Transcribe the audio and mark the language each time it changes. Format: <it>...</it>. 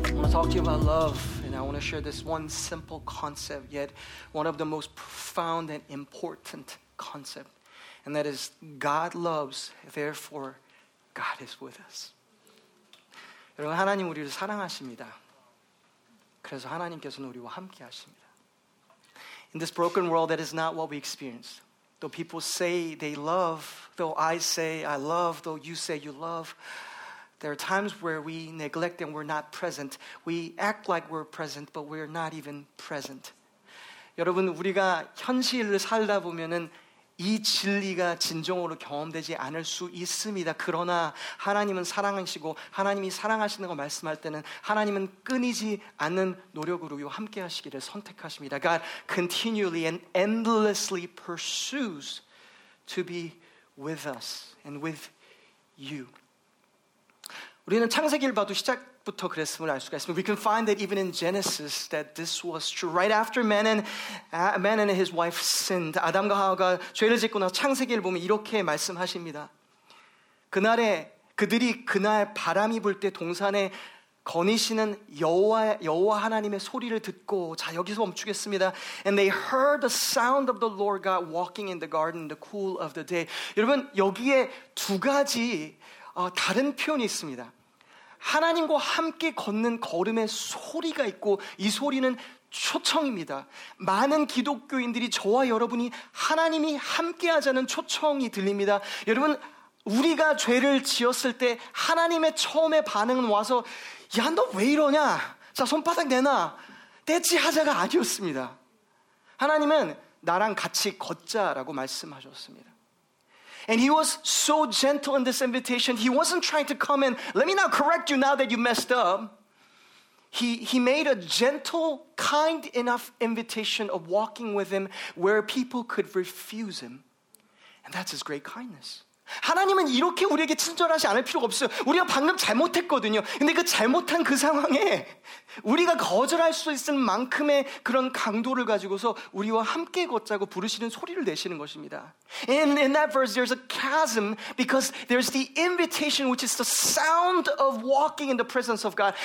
<en>talk to you about love, and I want to share this one simple concept, yet one of the most profound and important concept, and that is God loves, therefore God is with us.</en> <ko>여러분, 하나님 우리를 사랑하십니다. 그래서 하나님께서는 우리와 함께 하십니다.</ko> <en>In this broken world, that is not what we experience. Though people say they love, though I say I love, though you say you love, there are times where we neglect and we're not present. We act like we're present, but we're not even present.</en> <ko>여러분, 우리가 현실을 살다 보면은 이 진리가 진정으로 경험되지 않을 수 있습니다. 그러나 하나님은 사랑하시고 하나님이 사랑하시는 거 말씀할 때는 하나님은 끊이지 않는 노력으로 함께 하시기를 선택하십니다.</ko> <en>God continually and endlessly pursues to be with us and with you.</en> <ko>우리는 창세기를 봐도 시작부터 그랬음을 알 수가 있습니다.</ko> <en>We can find that even in Genesis that this was true. Right after man and his wife sinned,</en> <ko>아담과 하와가 죄를 짓고 나서 창세기를 보면 이렇게 말씀하십니다. 그날에 그들이 그날 바람이 불 때 동산에 거니시는 여호와 하나님의 소리를 듣고 자 여기서 멈추겠습니다.</ko> <en>And they heard the sound of the Lord God walking in the garden in the cool of the day.</en> <ko>여러분 여기에 두 가지 다른 표현이 있습니다. 하나님과 함께 걷는 걸음의 소리가 있고 이 소리는 초청입니다. 많은 기독교인들이 저와 여러분이 하나님이 함께 하자는 초청이 들립니다. 여러분 우리가 죄를 지었을 때 하나님의 처음의 반응은 와서 야 너 왜 이러냐? 자 손바닥 내놔. 떼지 하자가 아니었습니다. 하나님은 나랑 같이 걷자라고 말씀하셨습니다.</ko> <en>And he was so gentle in this invitation. He wasn't trying to come and let me now correct you now that you messed up. He made a gentle, kind enough invitation of walking with him where people could refuse him. And that's his great kindness.</en> <ko>하나님은 이렇게 우리에게 친절하지 않을 필요가 없어요. 우리가 방금 잘못했거든요. 근데 그 잘못한 그 상황에 우리가 거절할 수 있을 만큼의 그런 강도를 가지고서 우리와 함께 걷자고 부르시는 소리를 내시는 것입니다.</ko> <en>In that verse there's a chasm because there's the invitation which is the sound of walking in the presence of God.</en>